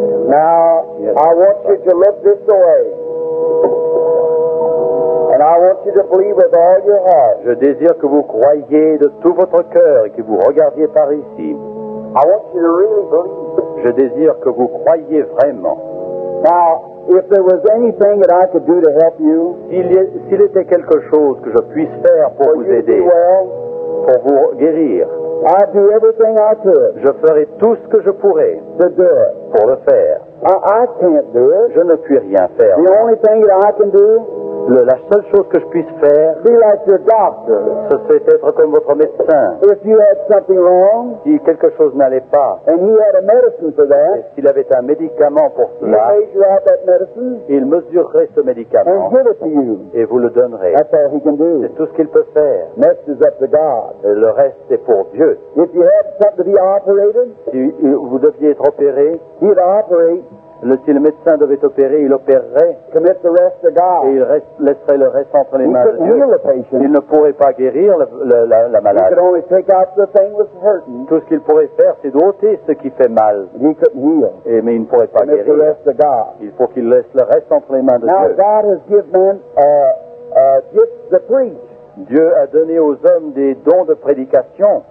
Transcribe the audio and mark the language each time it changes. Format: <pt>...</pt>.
<en>Now, I want you to lift this away. And I want you to believe with all your heart.</en> <fr>Je désire que vous croyiez de tout votre cœur et que vous regardiez par ici.</fr> <en>I want you to really believe.</en> <fr>Je désire que vous croyiez vraiment.</fr> <en>Now, if there was anything that I could do to help you,</en> <fr>s'il était quelque chose que je puisse faire pour vous aider, pour vous guérir,</fr> <en>I'd do everything I could.</en> <fr>Je ferai tout ce que je pourrais</fr> <en>to do it.</en> <fr>Pour le faire.</fr> <en>I can't do it.</en> <fr>Je ne puis rien faire.</fr> <en>The only thing that I can do,</en> <fr>la seule chose que je puisse faire,</fr> <en>be like your doctor.</en> <fr>Ce serait être comme votre médecin.</fr> <en>If you had something wrong,</en> <fr>si quelque chose n'allait pas,</fr> <en>and he had a medicine for that,</en> <fr>et s'il avait un médicament pour cela,</fr> <en>he made you have that medicine,</en> <fr>il mesurerait ce médicament</fr> <en>and give it to you.</en> <fr>Et vous le donnerait.</fr> <en>That's all he can do.</en> <fr>C'est tout ce qu'il peut faire.</fr> <en>Next is up to God.</en> <fr>Et le reste, c'est pour Dieu.</fr> <en>If you had something to be operated,</en> <fr>si vous deviez être opéré,</fr> <en>he'd operate.</en> <fr>Si le médecin devait opérer, il opérerait.</fr> <en>Commit the rest to God.</en> <fr>Et il laisserait le reste entre les mains de Dieu. Il ne pourrait pas guérir la malade.</fr> <en>He could only take out the thing that's hurting.</en> <fr>Tout ce qu'il pourrait faire, c'est d'ôter ce qui fait mal.</fr> <en>He couldn't heal.</en> <fr>Mais il ne pourrait pas</fr> <en>Commit</en> <fr>guérir.</fr> <en>The rest to God.</en> <fr>Il faut qu'il laisse le reste entre les mains de</fr> <en>Now,</en> <fr>Dieu.</fr> <en>God has given man, gifts to preach.</en> <fr>Dieu a donné aux hommes des dons de prédication.</fr>